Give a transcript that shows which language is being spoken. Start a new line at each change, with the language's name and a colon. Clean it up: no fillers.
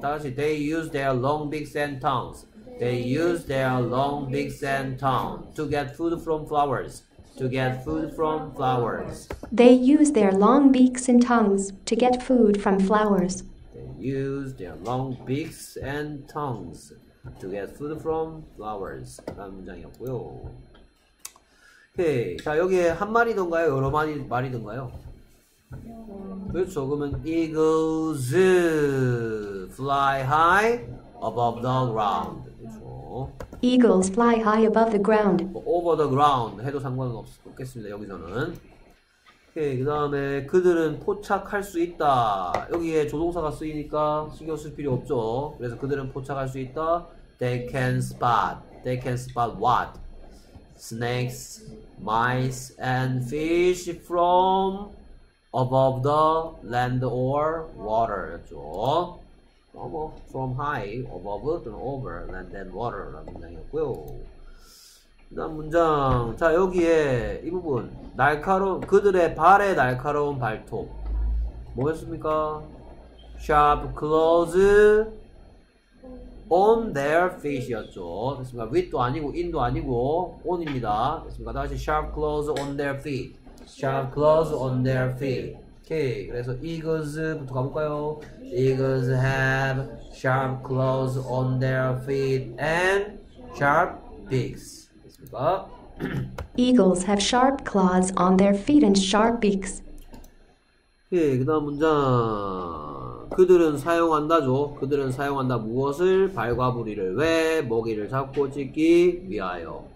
English: 다시 they use their long beaks and tongues. They use their long beaks and tongues to get food from flowers. To get food from flowers. They use their long beaks and tongues to get food from flowers. They use their long beaks and tongues to get food from flowers.
Korean: 라는 문장이었고요. 오케이. 자, 여기에 한 마리던가요? 여러 마리, 마리던가요? 그렇죠. 그러면
English: eagles fly high above the ground.
Korean: 그렇죠.
English: Eagles fly high above the ground. Over the ground
Korean: 해도 상관은 없겠습니다. 여기서는. 오케이, 그다음에 그들은 포착할 수 있다. 여기에 조동사가 쓰이니까 신경 쓸 필요 없죠. 그래서 그들은 포착할 수 있다.
English: They can spot. They can spot what? Snakes, mice and fish from above the land or water.
Korean: 그렇죠?
English: From high, above,
Korean: 또는
English: over, land and water
Korean: 라는 문장이었고요. 그 다음 문장. 자, 여기에 이 부분. 날카로운, 그들의 발에 날카로운 발톱. 뭐였습니까?
English: Sharp claws on their feet
Korean: 였죠. 됐습니까? with도 아니고, in도 아니고, on입니다. 됐습니까? 다시
English: sharp claws on their feet. Sharp claws on their feet.
Korean: 오케이
English: okay,
Korean: 그래서 eagles부터 가볼까요?
English: Eagles have sharp claws on their feet and sharp beaks.
Korean: 됐습니까?
English: Eagles have sharp claws on their feet and sharp beaks.
Korean: 오케이 okay, 그다음 문장. 그들은 사용한다죠. 그들은 사용한다 무엇을? 발과 부리를 왜? 먹이를 잡고 찍기 위하여.